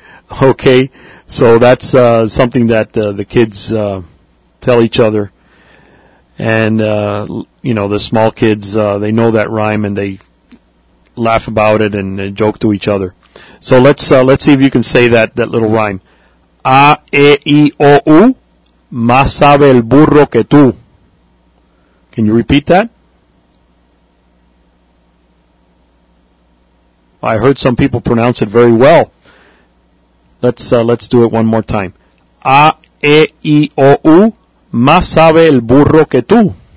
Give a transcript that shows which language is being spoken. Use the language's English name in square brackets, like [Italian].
[English] Okay, so that's something that the kids tell each other. And, you know, the small kids, they know that rhyme and they laugh about it and joke to each other. So let's see if you can say that little rhyme. [Spanish] A-E-I-O-U, más sabe el burro que tú. [English] Can you repeat that? I heard some people pronounce it very well. Let's do it one more time. A, E, I, O, U, [Spanish] más sabe el burro que tú.